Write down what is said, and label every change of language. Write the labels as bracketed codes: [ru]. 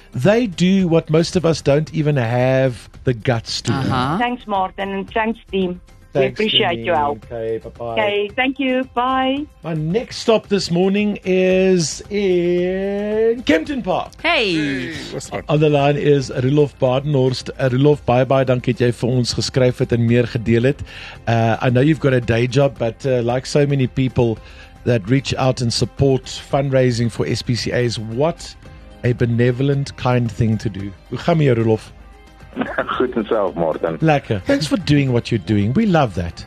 [en] They do what most of us don't even have the guts to do. Thanks, Martin, and thanks, team. Thanks, we appreciate your help. Okay, bye-bye. Okay, thank you. Bye. My next stop this morning is in Kempton Park. Hey. What's on the line is Rulof Badenhorst. Rulof, bye-bye. [af] Dank het jy vir ons geskryf het en meer gedeel het. [en] I know you've got a day job, but like so many people that reach out and support fundraising for SPCAs, what a benevolent, kind thing to do. [af] Hoe gaan jy, Rulof? Goed en self, Martin. Lekker. [en] Thanks for doing what you're doing. We love that.